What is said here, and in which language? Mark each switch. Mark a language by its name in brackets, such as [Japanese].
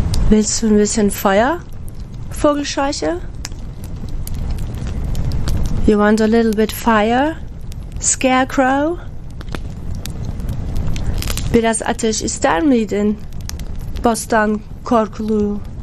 [German] Willst du ein bisschen Feuer, Vogelscheuche? [English] You want a little bit fire, Scarecrow? [Turkish] Biraz ateş ister miydin, Bostan Korkulu?